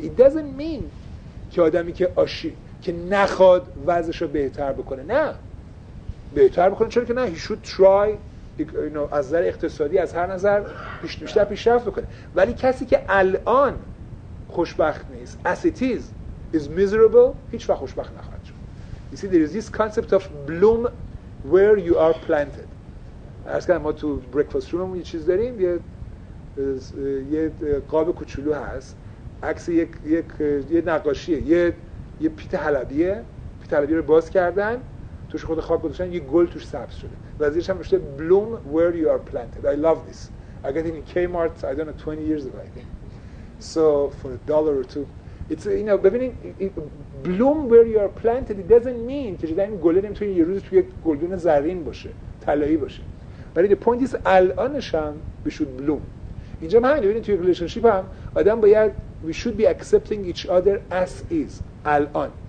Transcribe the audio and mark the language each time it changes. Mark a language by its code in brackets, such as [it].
[en] It doesn't mean [fa] که آدمی که آشیر که نخواد وضعش رو بهتر بکنه، نه بهتر بکنه، چون که نه [en] he should try [fa] از نظر اقتصادی از هر نظر بیشتر پیشرفت بکنه، ولی کسی که الان خوشبخت نیست [en] as it is miserable [fa] هیچ وقت خوشبخت نخواهد شد. [en] You see there is this concept of bloom where you are planted. [fa] عرض کردم ما تو breakfast room یه چیز داریم، یه قاب کوچولو هست عکس یک نقاشیه، یه پیت حلبیه رو باز کردن توش خود خواب گذاشتن، یه گل توش سبز شده، وزیرش هم نوشته [en] bloom where you are planted. I love this. I got it in Kmart, I don't know, 20 years ago I think. So for a dollar or two. It's, you know, [fa] ببینین [en] bloom where you are planted it doesn't mean [fa] که جدن این گله نمیتونی یه روز توی یک گلدون زرین باشه، طلایی باشه. [en] But the point is [fa] الانش هم [en] we should bloom. [fa] اینجا هم همین، ببینین توی [en] relationship [fa] هم آدم باید [en] we should be accepting each other as is. [fa] الان.